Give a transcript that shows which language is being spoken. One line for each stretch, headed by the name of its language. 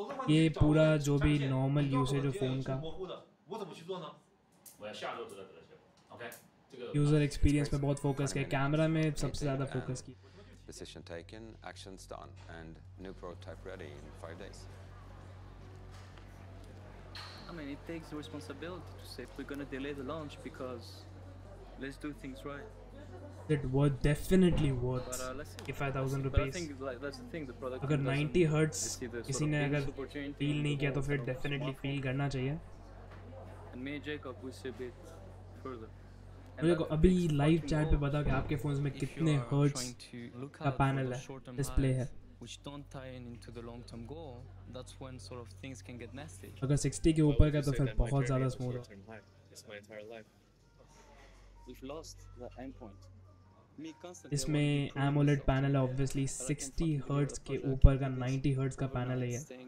Hindi: ये पूरा जो भी नॉर्मल यूसेज है फोन का, यूजर एक्सपीरियंस पे बहुत फोकस किया, कैमरा में सबसे ज्यादा फोकस किया.
English: Decision taken, actions done and new prototype ready in 5 days. I mean it takes responsibility to say if we are gonna delay the launch because let's do things right. It was definitely worth 5,000 rupees. But I think like, that's the thing. The product.
Hindi: अगर 90 hertz किसी ने अगर feel नहीं किया तो फिर definitely feel करना चाहिए.
English: And me and Jacob we see a bit further.
Hindi: मुझे को अभी live chat पे बताओ कि आपके phones में कितने hertz का panel है, display है.
English: Which don't tie in into the long term goal. That's when sort of things can get nasty.
Hindi: अगर 60 के ऊपर का तो फिर बहुत ज़्यादा smooth है.
English: It's my entire life. We've lost the endpoint.
Hindi: इसमें AMOLED पैनल है, obviously 60 हर्ट्ज के ऊपर का 90 हर्ट्ज का पैनल है ये.